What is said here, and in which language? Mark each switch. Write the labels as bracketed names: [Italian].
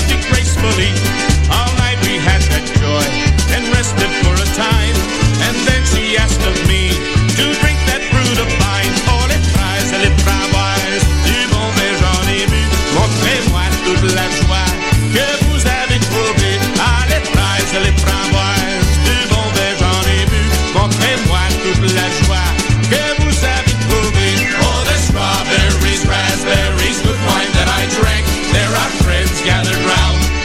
[English] All night we had that joy and rested for a time. And then she asked of me to drink that fruit of mine. [French] Oh, les fraises et les framboises, du bon vin, j'en ai bu. Montrez-moi toute la joie que vous avez trouvée. Ah, les fraises et les framboises, du bon vin, j'en ai bu. Montrez-moi toute la joie que vous avez trouvée. [English] Oh, the strawberries, raspberries, good wine that I drank. There are friends gathered round.